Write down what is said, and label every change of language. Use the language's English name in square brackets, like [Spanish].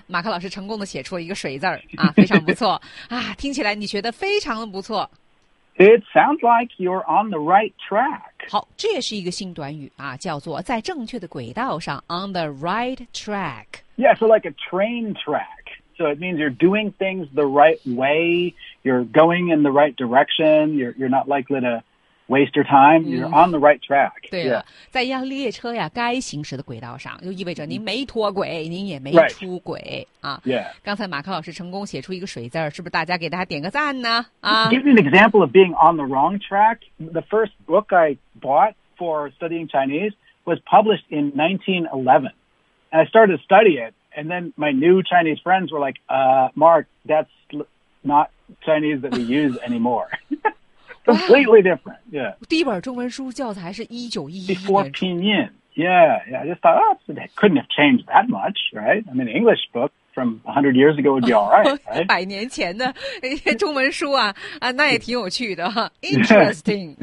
[Chinese] 马克老师成功地写出了一个水字、啊、非常不错、啊、听起来你学得非常的不错。 [English] It sounds like you're on the right track. [Chinese] 好，这也是一个新短语啊，叫做在正确的轨道上 [English] on the right track. Yeah, so like a train track. So it means you're doing things the right way, you're going in the right direction, you're not likely to waste your time, you're on the right track. [Chinese] 对了、 [English] yeah. [Chinese] 在一列车呀该行驶的轨道上就意味着您没脱轨您也没出轨、 [English] right. 啊 yeah. [Chinese] 刚才马克老师成功写出一个水字是不是大家给大家点个赞呢、啊、 [English] Give me an example of being on the wrong track. The first book I bought for studying Chinese was published in 1911. And I started to study it, and then my new Chinese friends were like, Mark, that's not Chinese that we use anymore. Completely different, yeah. [Chinese] 第一本中文书教材是1911年。 [English] Before Pinyin, yeah, yeah. I just thought, oh, it couldn't have changed that much, right? I mean, an English book from 100 years ago would be all right, right? [Chinese] 百年前的中文书啊，啊，那也挺有趣的。 [English] Interesting.